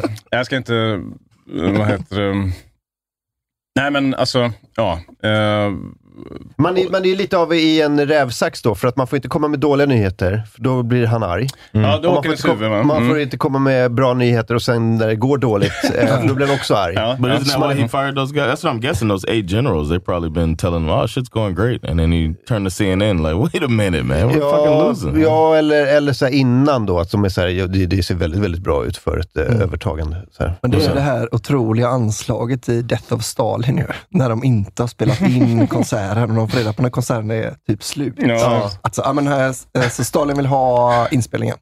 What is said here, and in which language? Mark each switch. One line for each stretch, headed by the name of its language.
Swedish: jag ska inte, vad heter det? Nej, men alltså, ja. Man är lite av i en rävsax då, för att man får inte komma med dåliga nyheter, för då blir han arg. Mm. Ja, då åker det huvud, man. Man får inte komma med bra nyheter och sen när det går dåligt, då blir han också arg.
English: Yeah. But isn't that why he fired those guys? That's what I'm guessing, those 8 generals, they've probably been telling him, oh, shit's going great. And then he turned to CNN like, wait a minute man, we're fucking losing.
Swedish: Ja, eller så här innan då, att de är så här, det ser väldigt, väldigt bra ut för ett övertagande. Så här. Men det är det här otroliga anslaget i Death of Stalin nu, när de inte har spelat in konsert. Här om de får reda på när konserten är typ slut. Ja. Alltså, ja, men här, så Stalin vill ha inspelningen.